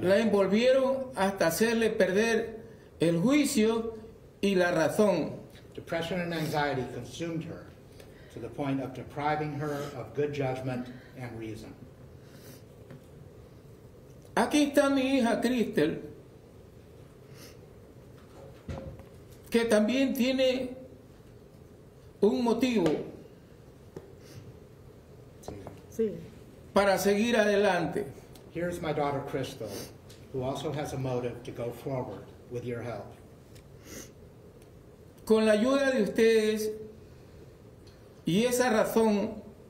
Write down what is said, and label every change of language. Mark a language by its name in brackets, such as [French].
[Spanish] la envolvieron hasta hacerle perder el juicio y la razón. [English] Depression and anxiety consumed her to the point of depriving her of good judgment and reason. [Spanish] Aquí está mi hija Crystal, que también tiene un motivo para seguir adelante. [English] Here's my daughter Crystal, who also has a motive to go forward with your help. [Spanish] Con la ayuda de ustedes y esa razón,